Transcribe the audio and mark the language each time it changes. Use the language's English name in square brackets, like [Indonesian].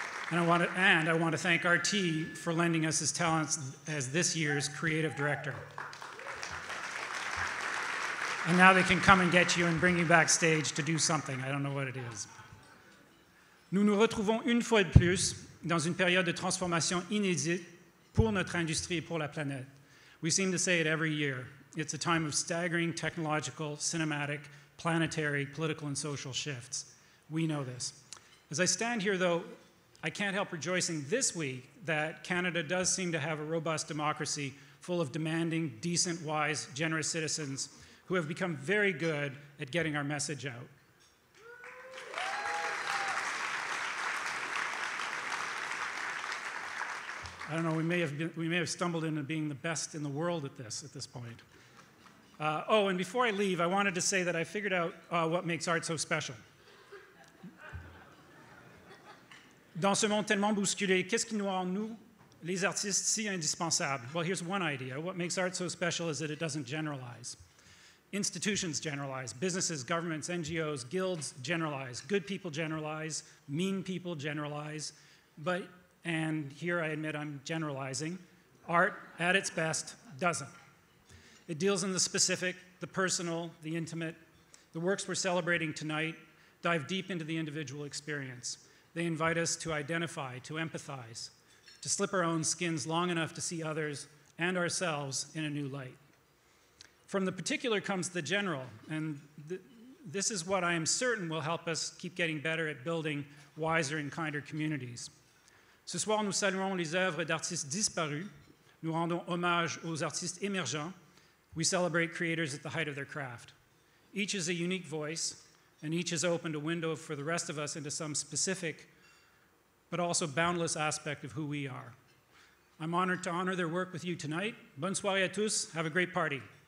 [English] And I want to thank RT for lending us his talents as this year's creative director. And now they can come and get you and bring you backstage to do something. I don't know what it is. [French] Nous nous retrouvons une fois de plus dans une période de transformation inédite pour notre industrie et pour la planète. [English] We seem to say it every year. It's a time of staggering technological, cinematic, planetary, political, and social shifts. We know this. As I stand here, though, I can't help rejoicing this week that Canada does seem to have a robust democracy full of demanding, decent, wise, generous citizens who have become very good at getting our message out. I don't know, we may have stumbled into being the best in the world at this point. And before I leave, I wanted to say that I figured out what makes art so special. [French] Dans ce monde tellement bousculé, qu'est-ce qui nous rend nous, les artistes, si indispensables? [English] Well, here's one idea. What makes art so special is that it doesn't generalize. Institutions generalize. Businesses, governments, NGOs, guilds generalize. Good people generalize. Mean people generalize. But, and here I admit I'm generalizing, art, at its best, doesn't. It deals in the specific, the personal, the intimate. The works we're celebrating tonight dive deep into the individual experience. They invite us to identify, to empathize, to slip our own skins long enough to see others and ourselves in a new light. From the particular comes the general, and this is what I am certain will help us keep getting better at building wiser and kinder communities. [French] Ce soir, nous saluons les œuvres d'artistes disparus. Nous rendons hommage aux artistes émergents. [English] We celebrate creators at the height of their craft. Each is a unique voice, and each has opened a window for the rest of us into some specific, but also boundless aspect of who we are. I'm honored to honor their work with you tonight. [French] Bonne soirée à tous. [English] Have a great party.